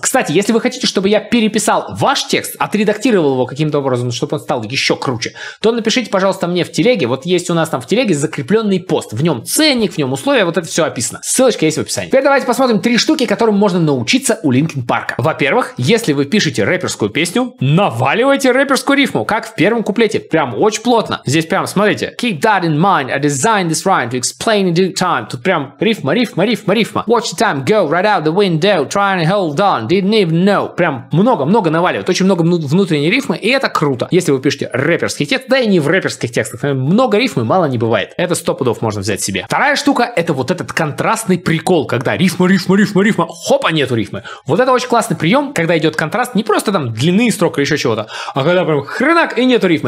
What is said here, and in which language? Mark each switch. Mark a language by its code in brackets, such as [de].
[ru] Кстати, если вы хотите, чтобы я переписал ваш текст, отредактировал его каким-то образом, чтобы он стал еще круче, то напишите, пожалуйста, мне в телеге. Вот есть у нас там в телеге закрепленный пост. В нем ценник, в нем условия, вот это все описано. Ссылочка есть в описании. Теперь давайте посмотрим три штуки, которым можно научиться у Линкин Парка. Во-первых, если вы пишете рэперскую песню, наваливайте рэперскую рифму, как в первом куплете. Прям очень плотно. Здесь прям, смотрите. [en] That in mind, I designed this rhyme to explain in due time. [ru] Тут прям рифма, рифма, рифма, рифма. [en] Watch the time go right out the window, trying to hold on, didn't even know. [ru] Прям много-много наваливает, очень много внутренней рифмы, и это круто. Если вы пишете рэперский текст, да и не в рэперских текстах, много рифмы мало не бывает. Это 100 пудов можно взять себе. Вторая штука, это вот этот контрастный прикол, когда рифма, рифма, рифма, рифма, хоп, а нету рифмы. Вот это очень классный прием, когда идет контраст, не просто там длины строк или еще чего-то, а когда прям хренак и нету рифмы.